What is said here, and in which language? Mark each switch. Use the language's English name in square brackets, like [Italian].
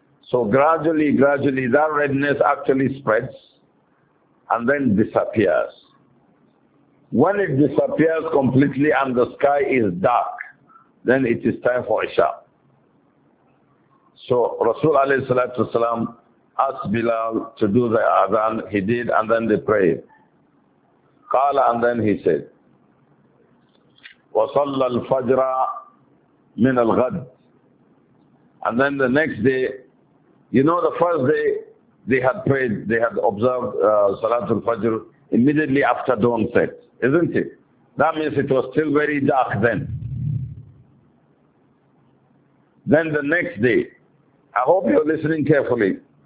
[English] So gradually, that redness actually spreads and then disappears. When it disappears completely and the sky is dark, then it is time for Isha. So Rasul alayhi salatu wasalam asked Bilal to do the adhan. He did, and then they prayed. [Arabic] قال, [English] and then he said, [Arabic] وصلى الفجر من الغد. [English] And then the next day, you know, the first day they had prayed, they had observed Salatul Fajr immediately after dawn set, isn't it? That means it was still very dark then. Then the next day, I hope you're listening carefully.